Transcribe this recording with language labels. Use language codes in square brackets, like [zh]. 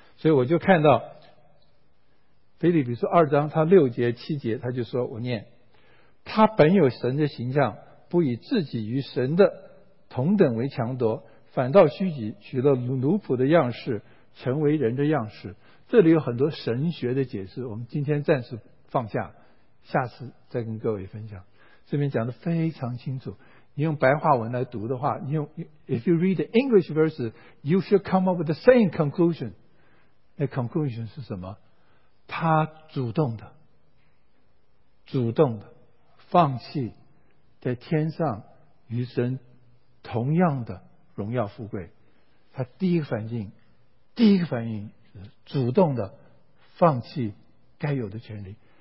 [zh] 所以我就看到腓立比书二章他六节七节，他就说，我念，他本有神的形象，不以自己与神的同等为强夺，反倒虚己，取了奴仆的样式，成为人的样式。这里有很多神学的解释，我们今天暂时放下，下次再跟各位分享。这边讲得非常清楚，你用白话文来读的话，你用 [en] If you read the English verse you should come up with the same conclusion。 [zh] 那 conclusion 是什么？他主动的放弃在天上与神同样的荣耀富贵。他第一个反应是主动的放弃该有的权利。